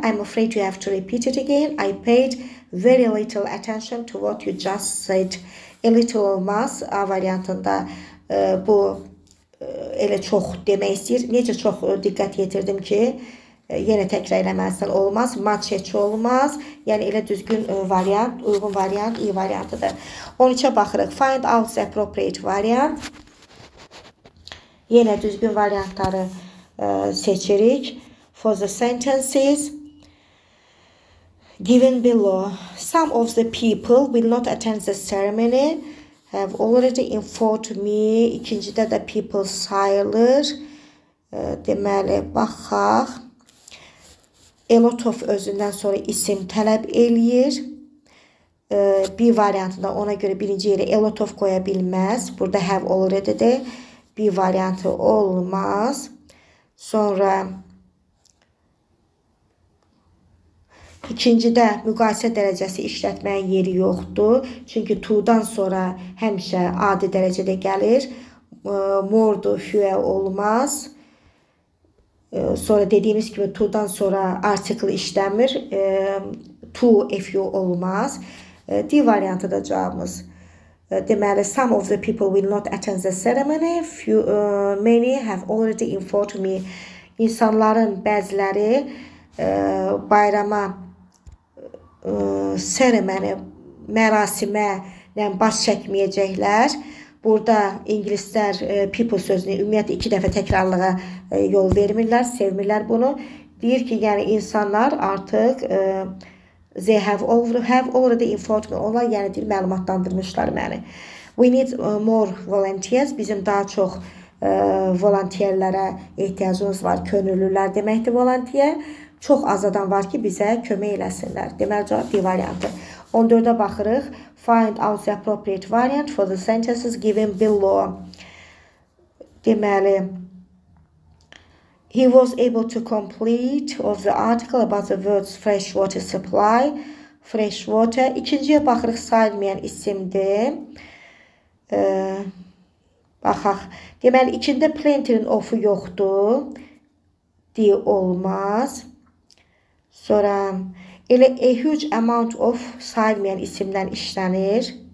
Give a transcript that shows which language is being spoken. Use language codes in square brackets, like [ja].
[en] I'm afraid you have to repeat it again. I paid very little attention to what you just said. A little [az] olmaz. A variantında bu elə çox demək istəyir. Necə çox diqqət yetirdim ki, yenə təkrar eləməlisən, olmaz. Maç heç olmaz. Yəni elə düzgün variant, uyğun variant, iyi variantıdır. 13-ə baxırıq. [en] Find out appropriate variant. [az] Yenə düzgün variantları seçirik. [en] For the sentences given below, some of the people will not attend the ceremony. Have already informed me. [az] İkincidə də people sayılır. Deməli, baxaq. A lot of özündən sonra isim tələb eləyir. B variantında ona görə birinci yerə a lot of qoya bilməz. Burada have already de B variantı olmaz. Sonra İkincidə müqayisə dərəcəsi işlətməyin yeri yoxdur. Çünki to-dan sonra həmişə adi dərəcədə gəlir. More-du, fewer olmaz. Sonra dediyimiz kimi to-dan sonra artikl işləmir. To, fu olmaz. D variantı da cavabımız. Deməli, [en] some of the people will not attend the ceremony. Many have already informed me. [az] İnsanların bəziləri bayrama seremoni mərasimə yəni baş çəkməyəcəklər. Burada ingilislər people sözünü ümumiyyətlə iki dəfə təkrarlığa yol vermirlər, sevmirlər bunu. Deyir ki, yəni insanlar artıq [en] they have already informed me. [az] Onlar yəni deyir, məlumatlandırmışlar məni. [en] We need more volunteers. [az] Bizim daha çox volunteerlərə ehtiyacımız var. Könüllülər deməkdir volunteer. Çox az adam var ki, bizə kömək eləsinlər. Deməli, cavab D variantı. 14-də baxırıq. [en] Find out the appropriate variant for the sentences given below. [az] Deməli, [en] he was able to complete of the article about the words fresh water supply. Fresh water. [az] İkinciyə baxırıq, sayılmayan isimdir. Baxaq. Deməli, ikində plenty-nin of-u yoxdur. D olmaz. Sonra elə a huge amount of sayılmayan isimdən işlənir.